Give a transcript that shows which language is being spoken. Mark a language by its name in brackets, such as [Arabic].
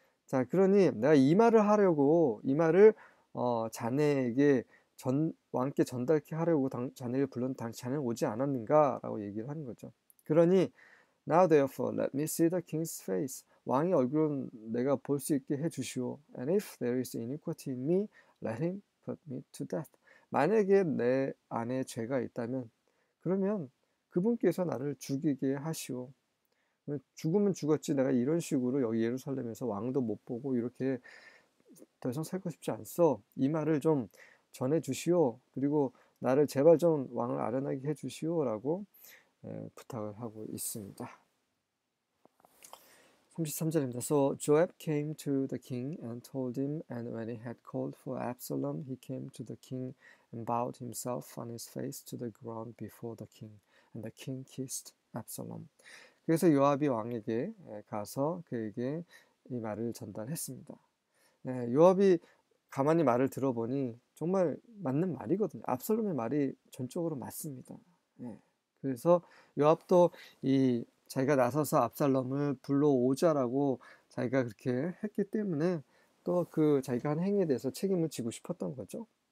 [Korean] 자, 그러니 내가 이 말을 하려고 이 말을 자네에게 전 왕께 전달케 하려고 자네를 불렀는데 자네는 오지 않았는가라고 얘기를 하는 거죠. 그러니 [English] Now therefore let me see the king's face. [Korean] 왕의 얼굴은 내가 볼수 있게 해 주시오. [English] And if there is iniquity in me, let him put me to death. [Korean] 만약에 내 안에 죄가 있다면 그러면 그분께서 나를 죽이게 하시오. 죽으면 죽었지 내가 이런 식으로 여기 예루살렘에서 왕도 못 보고 이렇게 더 이상 살고 싶지 않소. 이 말을 좀 전해 주시오. 그리고 나를 제발 좀 왕을 아련하게 해 주시오라고 부탁을 하고 있습니다. 33절입니다. [English] So Joab came to the king and told him, and when he had called for Absalom, he came to the king and bowed himself on his face to the ground before the king, and the king kissed Absalom. [Korean] 그래서 요압이 왕에게 가서 그에게 이 말을 전달했습니다. 요압이 가만히 말을 들어보니 정말 맞는 말이거든요. 압살롬의 말이 전적으로 맞습니다. 그래서 요압도 이 자기가 나서서 압살롬을 불러오자라고 자기가 그렇게 했기 때문에 또그 자기가 한 행위에 대해서 책임을 지고 싶었던 거죠.